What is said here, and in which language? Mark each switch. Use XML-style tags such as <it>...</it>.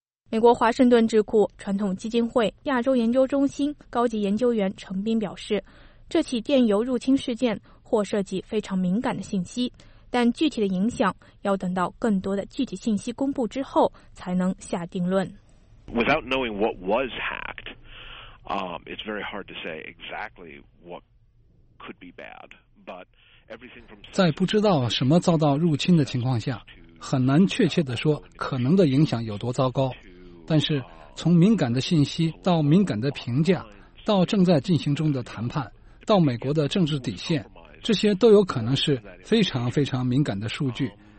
<zh>美国华盛顿智库传统基金会亚洲研究中心高级研究员程斌表示，这起电邮入侵事件或涉及非常敏感的信息，但具体的影响要等到更多的具体信息公布之后才能下定论。</zh> <en>Without knowing what was hacked, it's very hard to say exactly what could be bad, but...</en> <zh>在不知道什么遭到入侵的情况下，很难确切地说可能的影响有多糟糕。但是从敏感的信息到敏感的评价，到正在进行中的谈判，到美国的政治底线，这些都有可能是非常非常敏感的数据。</zh>